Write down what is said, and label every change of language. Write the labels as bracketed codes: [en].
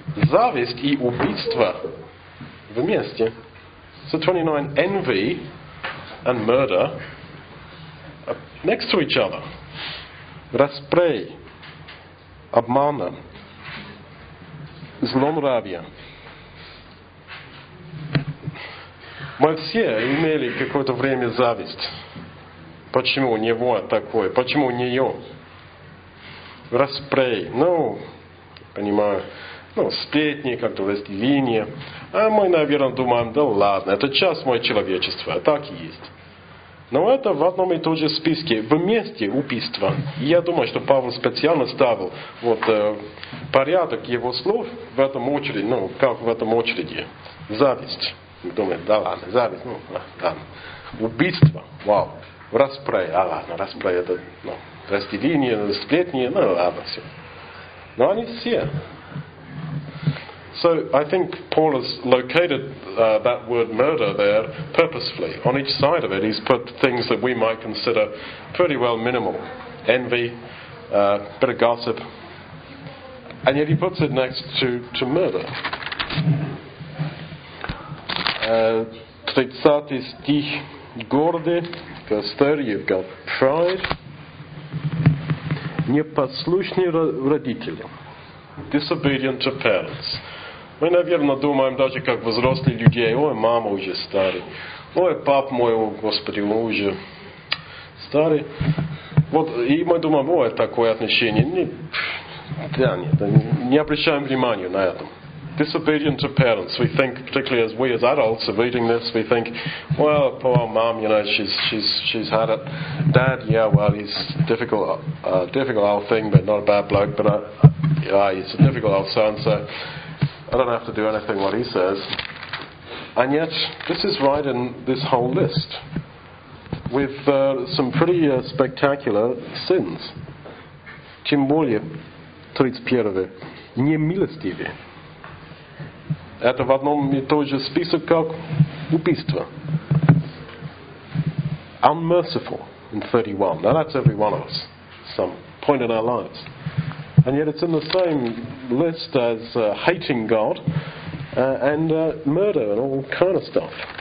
[ru] Зависть и убийство вместе. [en] So 29, envy and murder next to each other. [ru] Распрей, обмана, злонравия. Мы все имели какое-то время зависть. Почему у него такое? Почему у нее? Распрей, понимаю, сплетни, как-то разделение. А мы, наверное, думаем, да ладно, это часть моего человечества, так и есть. Но это в одном и том же списке, вместе убийства. И я думаю, что Павел специально ставил порядок его слов в этом очереди, зависть. Думаю, да ладно, зависть, убийство, вау, распрей, а ладно, распрей, это, разделение, сплетни, ладно, все. Но они все. [en] So I think Paul has located that word murder there purposefully. On each side of it, he's put things that we might consider pretty well minimal. Envy, a bit of gossip. And yet he puts it next to murder. [ru] 30 stich gordy, [en] verse 30, you've got pride. [ru] Непослушные родители. [en] Disobedient to parents. [ru] Мы, наверное, думаем даже как взрослые люди, ой, мама уже старый, ой, пап мой, о, Господи, он уже старый. Вот, и мы думаем, ой, такое отношение. Не обращаем внимания на это. [en] Disobedient to parents. We think, particularly as we as adults are reading this, we think, well, poor mom, you know, she's had it. Dad, yeah, well, he's difficult old thing, but not a bad bloke, but he's a difficult old son, so I don't have to do anything what he says. And yet, this is right in this whole list, with some pretty spectacular sins. [ru] Тем более, 31-е, не милостивее. Это в одном и том же список, как убийство. [en] Unmerciful in 31. Now that's every one of us, some point in our lives. And yet it's in the same list as hating God and murder and all kind of stuff.